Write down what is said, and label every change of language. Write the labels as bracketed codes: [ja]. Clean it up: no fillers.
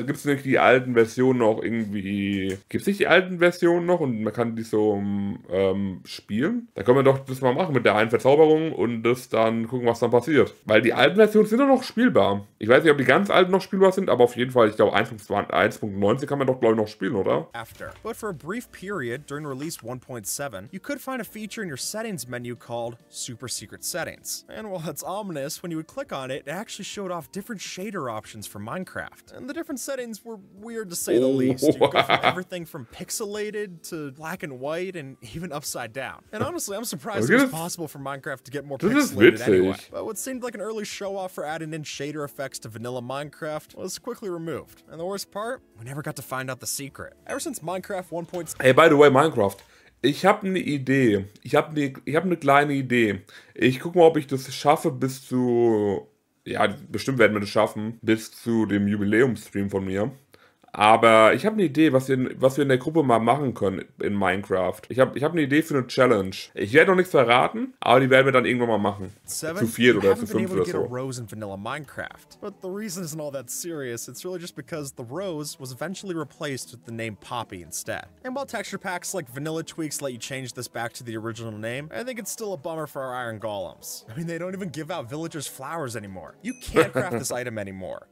[de] Gibt es nicht die alten Versionen noch irgendwie? Gibt es nicht die alten Versionen noch und man kann die so spielen? Da können wir doch das mal machen mit der einen Verzauberung und das dann gucken, was dann passiert. Weil die alten Versionen sind doch noch spielbar. Ich weiß nicht, ob die ganz alten noch spielbar sind, aber auf jeden Fall, ich glaube 1.19 kann man doch, glaube ich, noch spielen, oder? [en] After. But for a brief period during release 1.7, you could find a feature in your settings menu called Super Secret Settings. And while that's ominous, when you would click on it, it actually showed off different shader options for Minecraft. And the different settings were weird to say the least. You could go from everything from pixelated to black and white and even upside down. And honestly, I'm surprised it was possible for Minecraft to get more pixelated anyway. But what seemed like an early show-off for adding in shader effects to vanilla Minecraft was quickly removed. And the worst part? We never got to find out the secret. Ever since Minecraft 1.7... Hey, by the way, [de] Minecraft. Ich habe eine Idee. Ich habe eine kleine Idee. Ich guck mal, ob ich das schaffe bis zu... Ja, bestimmt werden wir das schaffen. Bis zu dem Jubiläumsstream von mir. Aber ich habe eine Idee, was wir in der Gruppe mal machen können in Minecraft. Ich hab eine Idee für eine Challenge. Ich werde noch nichts verraten, aber die werden wir dann irgendwann mal machen. [en] Seven, [de] zu viert oder zu fünf oder so. [en] You haven't been able to get a rose in vanilla Minecraft. But the reason isn't all that serious. It's really just because the rose was eventually replaced with the name Poppy instead. And while texture packs like Vanilla Tweaks let you change this back to the original name, I think it's still a bummer for our iron golems. I mean, they don't even give out villagers flowers anymore. You can't craft this item anymore.